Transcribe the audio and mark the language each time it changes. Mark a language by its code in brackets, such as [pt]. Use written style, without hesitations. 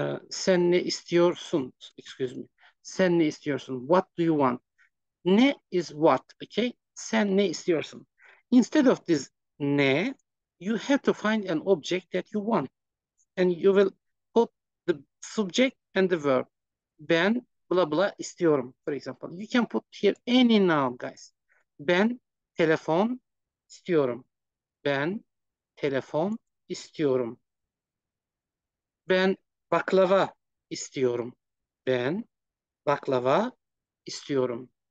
[tr] Sen ne istiyorsun? [en] Excuse me. [tr] Sen ne istiyorsun? [en] What do you want? Ne is what? Okay. [tr] Sen ne istiyorsun? [en] Instead of this ne, you have to find an object that you want. And you will put the subject and the verb. [tr] Ben blah blah istiyorum, [en] for example. You can put here any noun, guys. [tr] Ben telefon istiyorum. Ben telefon istiyorum. Ben baklava istiyorum. Ben baklava istiyorum.